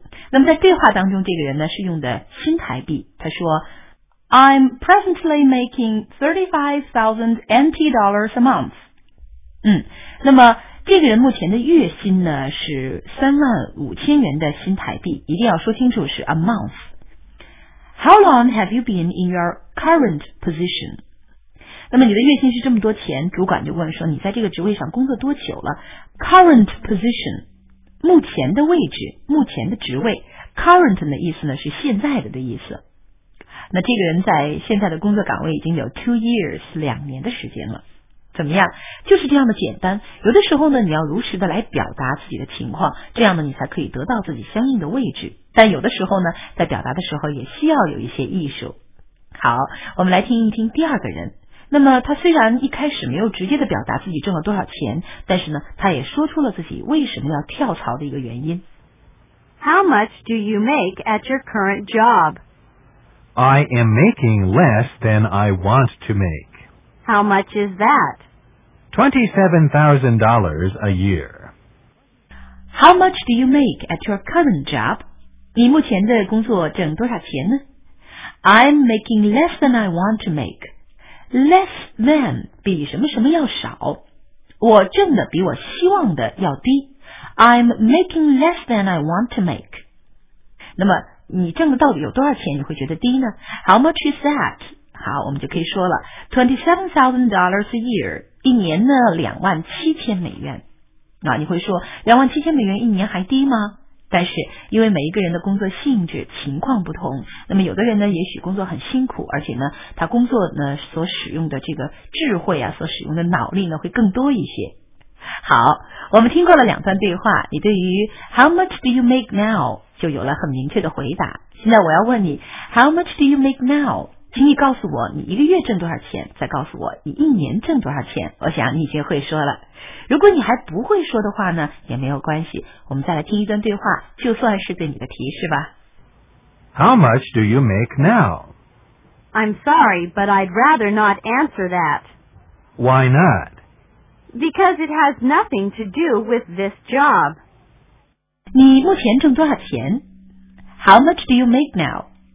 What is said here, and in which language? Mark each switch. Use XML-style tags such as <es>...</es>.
<zh>那么在对话当中，这个人呢是用的新台币，他说</zh> <en>I'm presently making $35,000 a month。</en> <zh>那么这个人目前的月薪呢是35,000元的新台币，一定要说清楚是</zh> <en>a month。 How long have you been in your current position?</en> <zh>那么你的月薪是这么多钱，主管就问说你在这个职位上工作多久了。</zh> <en>Current position,</en> <zh>目前的位置，目前的职位。 Current 的意思呢是现在的意思。那这个人在现在的工作岗位已经有</zh> <en>2 years,</en> <zh>两年的时间了。怎么样？就是这样的简单。有的时候呢你要如实的来表达自己的情况，这样呢你才可以得到自己相应的位置。但有的时候呢在表达的时候也需要有一些艺术。好，我们来听一听第二个人。那么他虽然一开始没有直接的表达自己挣了多少钱，但是呢他也说出了自己为什么要跳槽的一个原因。</zh> <en>How much do you make at your current job? I am making less than I want to make. How much is that? $27,000 a year. How much do you make at your current job?</en> <zh>你目前的工作挣多少钱呢？</zh> <en>I'm making less than I want to make.</en> <zh>Less than 比什么什么要少，我挣的比我希望的要低。</zh> <en>I'm making less than I want to make.</en> <zh>那么你挣的到底有多少钱你会觉得低呢？</zh> <en>How much is that?</en> <zh>好，我们就可以说了</zh> <en>$27,000 a year,</en> <zh>一年呢27,000美元。那你会说27,000美元一年还低吗？但是因为每一个人的工作性质情况不同，那么有的人呢也许工作很辛苦，而且呢他工作呢所使用的这个智慧啊，所使用的脑力呢会更多一些。好，我们听过了两段对话，你对于</zh> <en>How much do you make now</en> <zh>就有了很明确的回答。现在我要问你</zh> <en>How much do you make now，</en> <zh>请你告诉我你一个月挣多少钱，再告诉我你一年挣多少钱。我想你已经会说了。如果你还不会说的话呢，也没有关系，我们再来听一段对话，就算是对你的提示吧。</zh> <en>How much do you make now? I'm sorry, but I'd rather not answer that. Why not? Because it has nothing to do with this job.</en> <zh>你目前挣多少钱？</zh> <en>How much do you make now?</en>